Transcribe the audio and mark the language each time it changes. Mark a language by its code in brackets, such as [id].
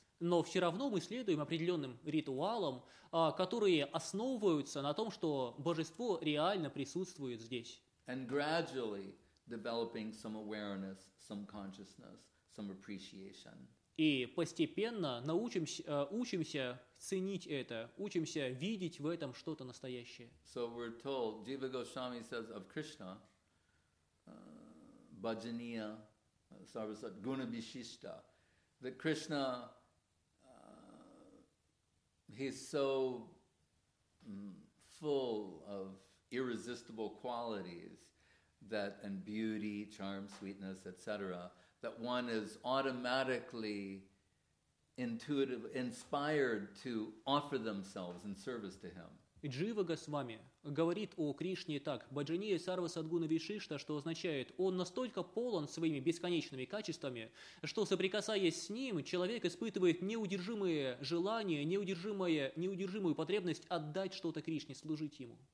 [ru] Но все равно мы следуем определенным ритуалам, которые основываются на том, что божество реально присутствует здесь. [en] And gradually developing some awareness, some consciousness, some appreciation. [ru] И постепенно учимся ценить это, учимся видеть в этом что-то настоящее. [en] So we're told, Jiva Goswami says of Krishna, [sa] bhajaniya, sarvasat, guna bishishta, [en] that Krishna, he's so full of irresistible qualities that and beauty, charm, sweetness, etc., that one is automatically intuitive, inspired to offer themselves in service to him. [ru] Джива Госвами говорит о Кришне так, [sa] «Баджанея Сарва Садгуна Вишишта», [ru] что означает, он настолько полон своими бесконечными качествами, что, соприкасаясь с ним, человек испытывает неудержимое желание, неудержимую потребность отдать что-то Кришне, служить ему.